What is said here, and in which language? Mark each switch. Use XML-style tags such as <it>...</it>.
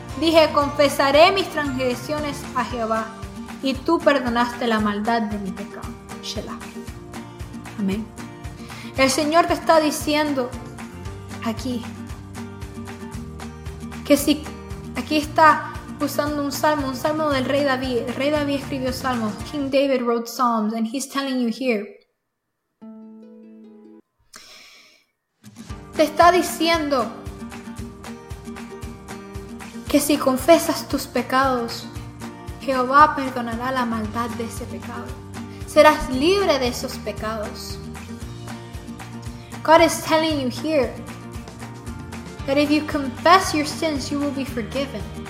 <es>Dije, confesaré mis transgresiones a Jehová y tú perdonaste la maldad de mi pecado, Shelah. Amén. El Señor te está diciendo aquí que si aquí está usando un salmo del rey David. El rey David escribió salmos.</es> <en>King David wrote Psalms, and he's telling you here.</en> <es>Te está diciendo que si confesas tus pecados, Jehová perdonará la maldad de ese pecado. Serás libre de esos pecados.</es> <en>God is telling you here that if you confess your sins, you will be forgiven.</en>